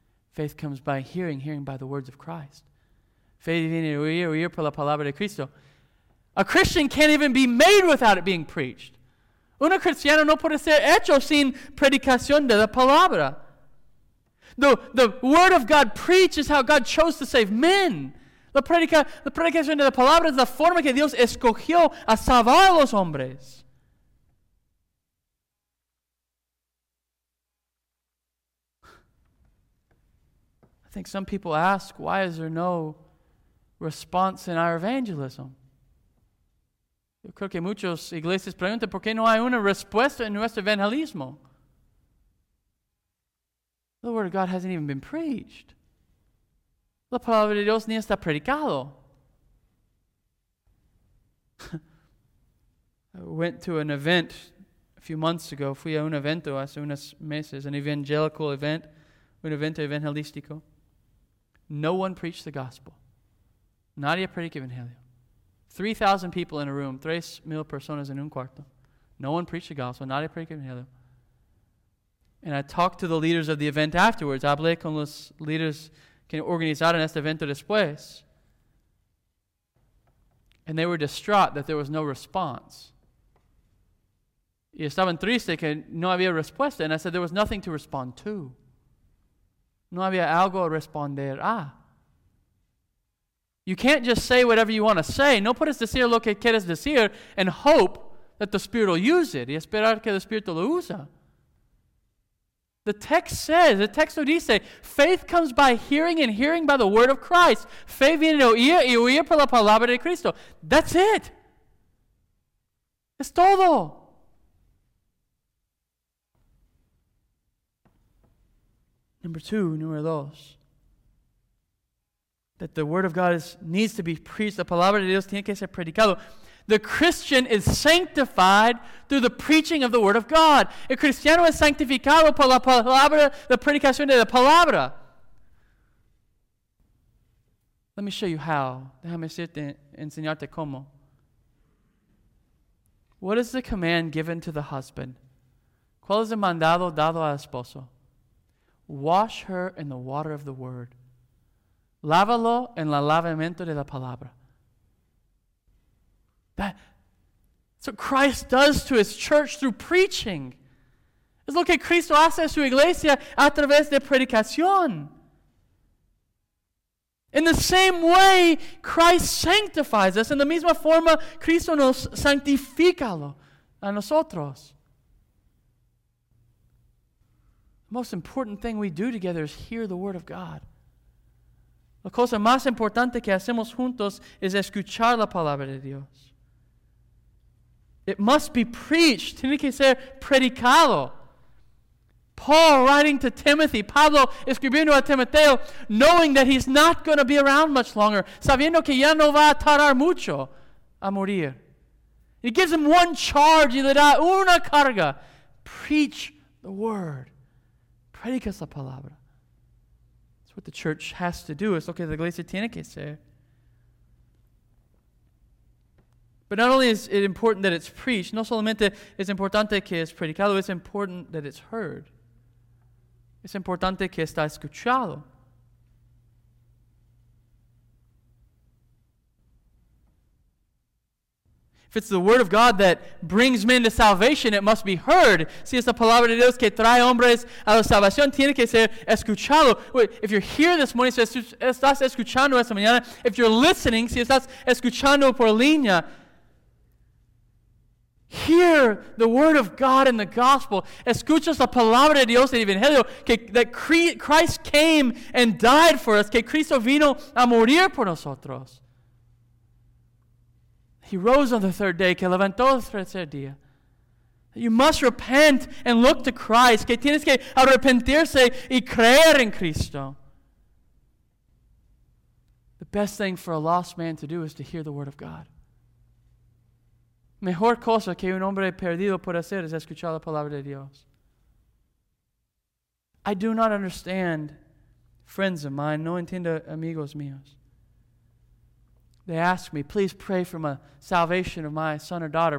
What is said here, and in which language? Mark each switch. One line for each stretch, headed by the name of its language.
English: Faith comes by hearing, hearing by the words of Christ. Faith
Spanish: viene de oír, oír por la palabra de Cristo.
English: A Christian can't even be made without it being preached.
Spanish: Una cristiana no puede ser hecho sin predicación de la palabra.
English: The word of God preaches how God chose to save men.
Spanish: La predicación de la palabra es la forma que Dios escogió a salvar a los hombres.
English: I think some people ask, why is there no response in our evangelism?
Spanish: Yo creo que muchas iglesias preguntan por qué no hay una respuesta en nuestro evangelismo.
English: The word of God hasn't even been preached.
Spanish: La palabra de Dios ni está predicado.
English: I went to an event a few months ago.
Spanish: Fui a un evento hace unos meses,
English: an evangelical event,
Spanish: un evento evangelístico.
English: No one preached the gospel.
Spanish: Nadie predicó evangelio.
English: 3,000 people in a room,
Spanish: 3,000 personas en un cuarto.
English: No one preached the gospel.
Spanish: Nadie predicó evangelio.
English: And I talked to the leaders of the event afterwards.
Spanish: Hablé con los líderes que organizaron este evento después.
English: And they were distraught that there was no response.
Spanish: Y estaban tristes que no había respuesta.
English: And I said, there was nothing to respond to.
Spanish: No había algo a responder a.
English: You can't just say whatever you want to say.
Spanish: No puedes decir lo que quieres decir
English: and hope that the Spirit will use it.
Spanish: Y esperar que el Espíritu lo usa.
English: The text
Spanish: no dice,
English: faith comes by hearing and hearing by the word of Christ.
Spanish: Fe viene de oír y oír por la palabra de Cristo.
English: That's it.
Spanish: Es todo. Número dos.
English: That the word of God needs to be preached.
Spanish: La palabra de Dios tiene que ser predicado.
English: The Christian is sanctified through the preaching of the Word of God.
Spanish: El cristiano es santificado por la palabra, la predicación de la palabra.
English: Let me show you how.
Spanish: Déjame enseñarte cómo.
English: What is the command given to the husband?
Spanish: ¿Cuál es el mandado dado al esposo?
English: Wash her in the water of the Word.
Spanish: Lávalo en el lavamiento de la palabra.
English: That's what Christ does to his church through preaching. Es lo que Cristo hace a su iglesia a través de predicación. In the same way, Christ sanctifies us.
Spanish: En la misma forma, Cristo nos santifica a nosotros.
English: The most important thing we do together is hear the word of God.
Spanish: La cosa más importante que hacemos juntos es escuchar la palabra de Dios.
English: It must be preached.
Spanish: Tiene que ser predicado.
English: Paul writing to Timothy,
Spanish: Pablo escribiendo a Timoteo,
English: knowing that he's not going to be around much longer,
Spanish: sabiendo que ya no va a tardar mucho a morir.
English: He gives him one charge,
Spanish: y le da una carga.
English: Preach the word.
Spanish: Predicas la palabra.
English: That's what the church has to do.
Spanish: Es lo que la iglesia tiene que ser.
English: But not only is it important that it's preached,
Spanish: no solamente es importante que es predicado,
English: it's important that it's heard.
Spanish: Es importante que está escuchado.
English: If it's the word of God that brings men to salvation, it must be heard.
Spanish: Si es la palabra de Dios que trae hombres a la salvación, tiene que ser escuchado.
English: If you're here this morning,
Spanish: si estás escuchando esta mañana,
English: if you're listening,
Spanish: si estás escuchando por línea,
English: hear the word of God in the gospel.
Spanish: Escuchas la palabra de Dios en el Evangelio.
English: Christ came and died for us.
Spanish: Que Cristo vino a morir por nosotros.
English: He rose on the third day.
Spanish: Que levantó el tercer día.
English: You must repent and look to Christ.
Spanish: Que tienes que arrepentirse y creer en Cristo.
English: The best thing for a lost man to do is to hear the word of God.
Spanish: Mejor cosa que un hombre perdido puede hacer es escuchar la palabra de Dios.
English: I do not understand friends of mine,
Spanish: no entiendo amigos míos.
English: They ask me, please pray for my salvation of my son or daughter.